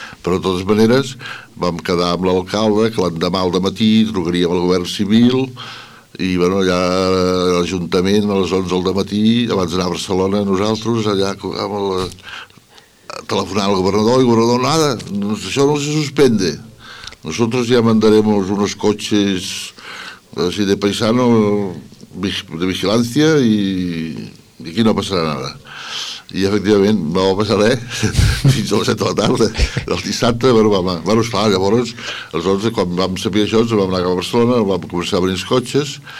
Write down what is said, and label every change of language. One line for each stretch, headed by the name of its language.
Catalan: Però de totes maneres vam quedar amb l'alcalde, que l'endemà al dematí trucaríem al govern civil, i bueno, allà a l'Ajuntament a les 11 del dematí, abans d'anar a Barcelona, nosaltres allà amb la... telefonar al governador, i el governador, nada, això
Spanish: no se suspende. Nosotros ya mandaremos unos coches así de paisano de vigilancia y aquí no pasará nada.
Catalan: I efectivament no va passar res fins a les 7 de la tarda del dissabte. Bueno, bueno, esclar, llavors aleshores, quan vam saber això, ens vam anar cap a Barcelona, vam començar a venir els cotxes.